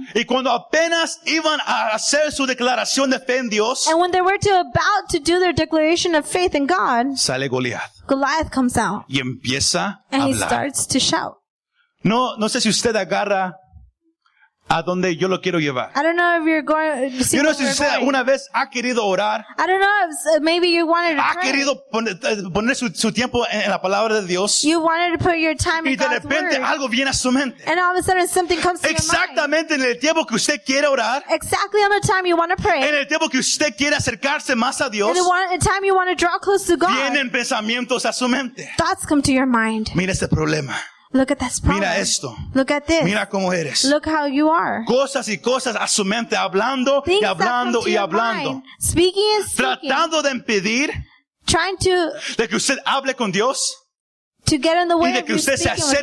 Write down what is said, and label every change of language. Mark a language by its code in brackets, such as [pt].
[es] Y cuando apenas iban a hacer su declaración de fe en Dios, [en] and when they were to about to do their declaration of faith in God, [es] sale Goliath. [en] Goliath comes out. [es] Y empieza a hablar. [en] And he starts to shout. [es] No, no sé si usted agarra a donde yo lo quiero llevar. [en] I don't know if you're going. [es] Yo no sé si usted alguna vez ha querido orar. [en] I don't know if maybe you wanted to [es] ha [en] pray. [es] Ha querido poner su tiempo en la palabra de Dios. [en] You wanted to put your time in God's word. [es] Y de repente algo viene a su mente. [en] And all of a sudden something comes to your mind. [es] Exactamente en el tiempo que usted quiere orar. [en] Exactly on the time you want to pray. [es] En el tiempo que usted quiere acercarse más a Dios. [en] In the time you want to draw close to God. [es] Vienen pensamientos a su mente. [en] Thoughts come to your mind. [es] Mira este problema. [en] Look at this problem. [es] Mira esto. [en] Look at this. [es] Mira cómo eres. [en] Look how you are. [es] Cosas y cosas a su mente hablando [en] things [es] y hablando y hablando. [en] Mind, speaking and speaking. [es] Tratando de impedir. [en] Trying to. [es] De que usted hable con Dios. [en] To get in the way [es] y de que usted se acerque